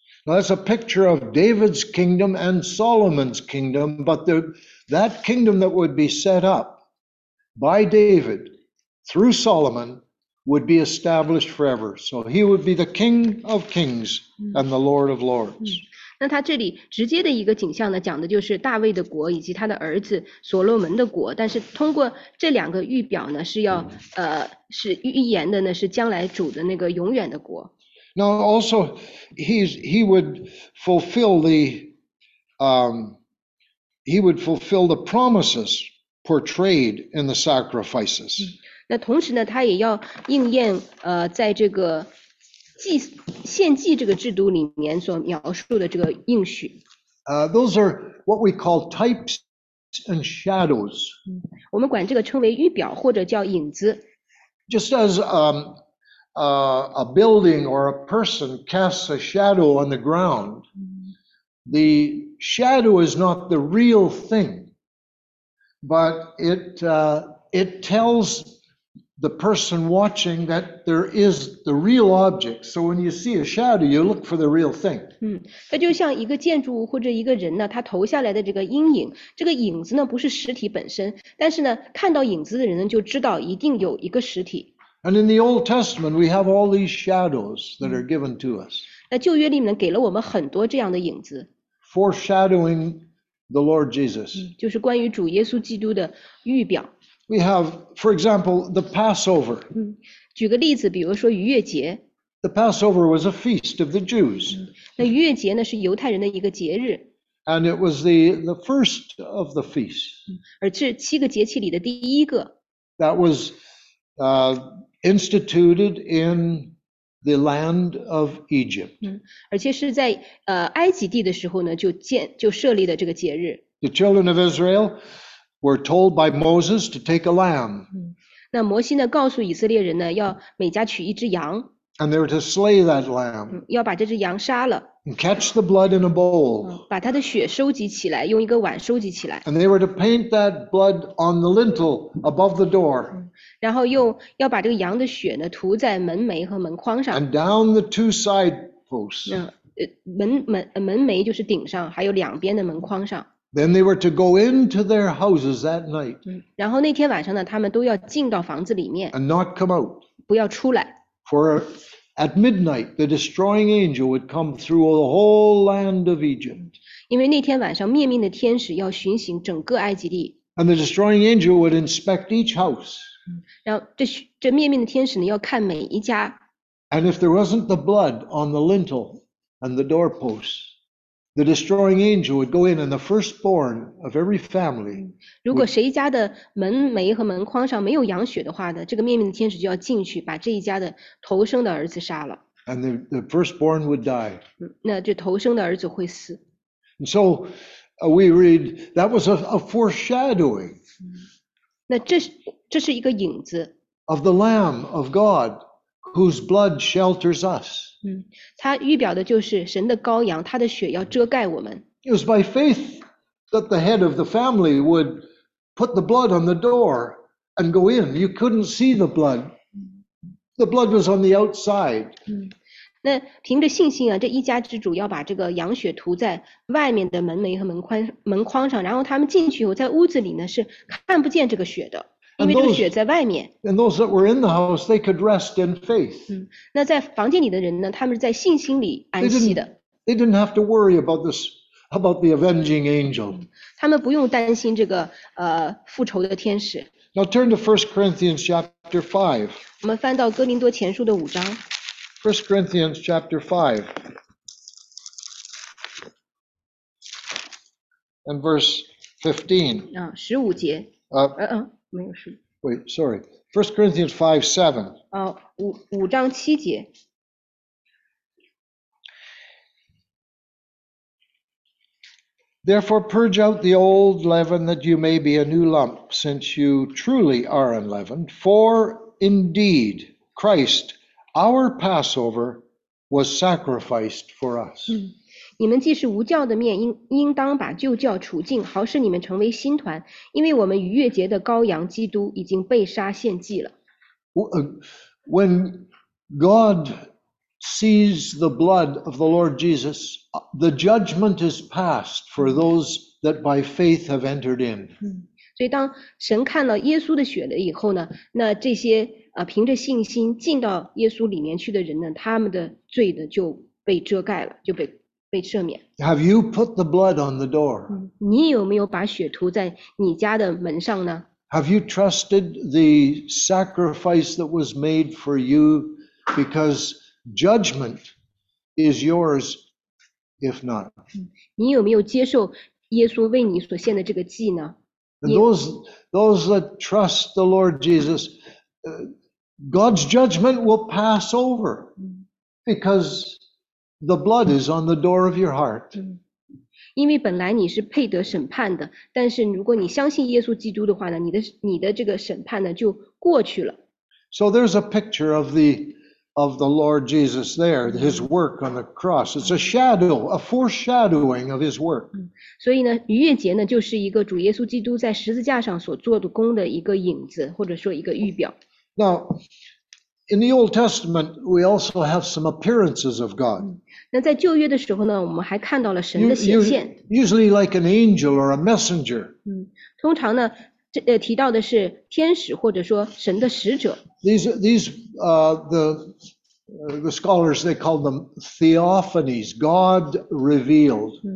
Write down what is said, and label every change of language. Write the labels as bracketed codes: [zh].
[en] Now that's a picture of David's kingdom and Solomon's kingdom, but that kingdom that would be set up by David through Solomon. Would be established forever. So he would be the King of Kings and the Lord of Lords. [zh] 那他这里直接的一个景象呢，讲的就是大卫的国以及他的儿子所罗门的国。但是通过这两个预表呢，是要是预言的呢，是将来主的那个永远的国。 [en] Now also, he would fulfill the promises portrayed in the sacrifices. [zh] 那同时呢，他也要应验在这个献祭这个制度里面所描述的这个应许。 [en] Those are what we call types and shadows. [zh] 我们管这个称为预表或者叫影子。 [en] Just as a building or a person casts a shadow on the ground, the shadow is not the real thing, but it tells. The person watching that there is the real object. So when you see a shadow, you look for the real thing. [zh] 它就像一个建筑物或者一个人呢，他投下来的这个阴影，这个影子呢不是实体本身，但是呢，看到影子的人呢就知道一定有一个实体。 [en] And in the Old Testament, we have all these shadows that are given to us. [zh] 那旧约里面给了我们很多这样的影子。 [en] Foreshadowing the Lord Jesus. [zh] 就是关于主耶稣基督的预表。 [en] We have, for example, the Passover. [zh] 举个例子，比如说逾越节。 [en] The Passover was a feast of the Jews. [zh] 那逾越节呢，是犹太人的一个节日。 [en] And it was the first of the feasts. [zh] 而是七个节气里的第一个。 [en] That was instituted in the land of Egypt. [zh] 而且是在埃及地的时候呢，就设立的这个节日。 [en] The children of Israel. Were told by Moses to take a lamb. [zh] 那摩西呢，告诉以色列人呢，要每家取一只羊。 [en] And they were to slay that lamb. [zh] 要把这只羊杀了。 [en] And catch the blood in a bowl. [zh] 把它的血收集起来，用一个碗收集起来。 [en] And they were to paint that blood on the lintel above the door. [zh] 然后又要把这个羊的血呢，涂在门楣和门框上。 [en] And down the two side posts. [zh] 门楣就是顶上，还有两边的门框上。 [en] Then they were to go into their houses that night. [zh] 然后那天晚上呢，他们都要进到房子里面。 [en] And not come out. [zh] 不要出来。 [en] For at midnight, the destroying angel would come through the whole land of Egypt. [zh] 因为那天晚上灭命的天使要巡行整个埃及地。 [en] And the destroying angel would inspect each house. [zh] 然后这面面的天使呢，要看每一家。 [en] And if there wasn't the blood on the lintel and the doorposts, the destroying angel would go in, and the firstborn of every family. [zh] 如果谁家的门楣和门框上没有羊血的话呢，这个面面的天使就要进去，把这一家的头生的儿子杀了。 [en] And the firstborn would die. [zh] 那就头生的儿子会死。 [en] And so, we read that was a foreshadowing. [zh] 那这是一个影子。 [en] Of the Lamb of God, whose blood shelters us. [zh] 它预表的就是神的羔羊，他的血要遮盖我们。 [en] It was by faith that the head of the family would put the blood on the door and go in. You couldn't see the blood. The blood was on the outside. [zh] 那凭着信心啊，这一家之主要把这个羊血涂在外面的门楣和门框上，然后他们进去以后，在屋子里呢是看不见这个血的，因为这个血在外面。 [en] And those that were in the house, they could rest in faith. [zh] 那在房间里的人呢，他们是在信心里安息的。 [en] They didn't have to worry about this, about the avenging angel. [zh] 他们不用担心这个复仇的天使。 [en] Now turn to 1 Corinthians chapter 5. [zh] 我们翻到哥林多前书的五章。 [en] 1 Corinthians chapter 5. And verse 15. [zh] 十五节。没有十。 [en] Wait, sorry. 1 Corinthians 5, 7. [zh] 五章七节。 [en] Therefore, purge out the old leaven that you may be a new lump, since you truly are unleavened. For indeed, Christ, our Passover, was sacrificed for us. [zh] 你们既是无酵的面，应当把旧酵除尽，好使你们成为新团。因为我们逾越节的羔羊基督已经被杀献祭了。 [en] When God sees the blood of the Lord Jesus, the judgment is passed for those that by faith have entered in. [zh] 所以当神看了耶稣的血了以后呢，那这些凭着信心进到耶稣里面去的人呢，他们的罪呢就被遮盖了，就被赦免。 [en] Have you put the blood on the door? [zh] 你有没有把血涂在你家的门上呢？ [en] Have you trusted the sacrifice that was made for you because judgment is yours if not. [zh] 你有没有接受耶稣为你所献的这个祭呢？ [en] And those that trust the Lord Jesus, God's judgment will pass over because the blood is on the door of your heart. [zh] 因为本来你是配得审判的，但是如果你相信耶稣基督的话呢，你的这个审判呢就过去了。 [en] So there's a picture of the Lord Jesus there, his work on the cross. It's a shadow, a foreshadowing of his work. [zh] 所以呢，逾越节呢，就是一个主耶稣基督在十字架上所做的工的一个影子，或者说一个预表。 [en] Now, in the Old Testament, we also have some appearances of God. [zh] 那在旧约的时候呢，我们还看到了神的显现。 [en] Usually like an angel or a messenger. [zh] 通常呢，提到的是天使或者说神的使者。 [en] The scholars they call them theophanies, God revealed.